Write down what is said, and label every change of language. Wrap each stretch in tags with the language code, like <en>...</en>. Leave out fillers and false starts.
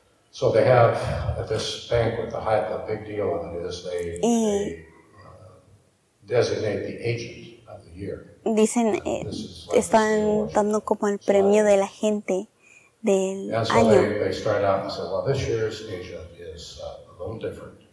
<en>So they have at this banquet, the high, the big deal on it is they designate the agent of the year.</en> <es>Dicen, like están dando como el premio de la gente del año.</es> <en>And so they start out and say, well, this year's agent is a little different.</en>